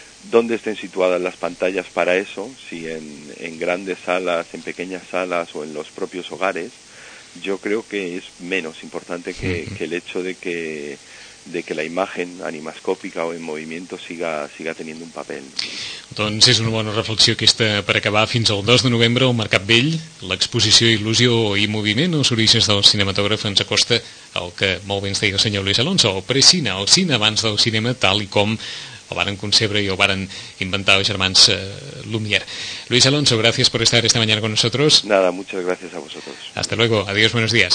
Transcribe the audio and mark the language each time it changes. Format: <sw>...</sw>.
<es>¿Dónde estén situadas las pantallas para eso? Si en grandes salas, en pequeñas salas o en los propios hogares, yo creo que es menos importante que el hecho de que la imagen animascópica o en movimiento siga teniendo un papel.</es> <ca>Doncs és una bona reflexió aquesta per acabar. Fins al 2 de novembre al Mercat Vell, l'exposició Il·lusió i moviment, els orígens del cinematògraf, ens acosta al que molt bé ens deia el senyor Luis Alonso, el precine, el cine abans del cinema, tal i com o varen concebre y o varen inventar los germans Lumière.</ca> <es>Luis Alonso, gracias por estar esta mañana con nosotros. Nada, muchas gracias a vosotros. Hasta luego, adiós, buenos días.</es>